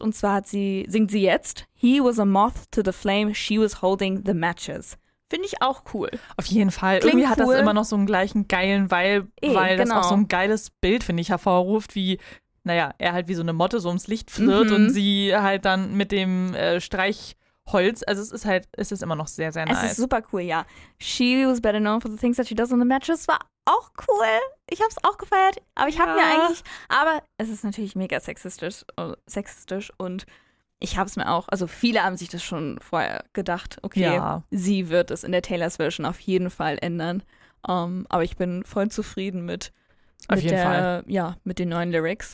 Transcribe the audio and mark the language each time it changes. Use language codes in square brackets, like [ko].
[de] Und zwar singt sie jetzt, [en] he was a moth to the flame, she was holding the matches. [de] Finde ich auch cool. Auf jeden Fall. Klingt irgendwie hat cool. Das immer noch so einen gleichen geilen Vibe, weil das auch so ein geiles Bild, finde ich, hervorruft, wie, naja, er halt wie so eine Motte so ums Licht flirrt und sie halt dann mit dem Streichholz. Also es ist immer noch sehr, sehr nice. Es ist super cool, ja. [en] She was better known for the things that she does on the mattress. [de] War auch cool. Ich habe es auch gefeiert. Aber ich habe mir eigentlich, aber es ist natürlich mega sexistisch und ich habe es mir auch, also viele haben sich das schon vorher gedacht, okay, sie wird es in der Taylor's Version auf jeden Fall ändern. Aber ich bin voll zufrieden mit den neuen Lyrics.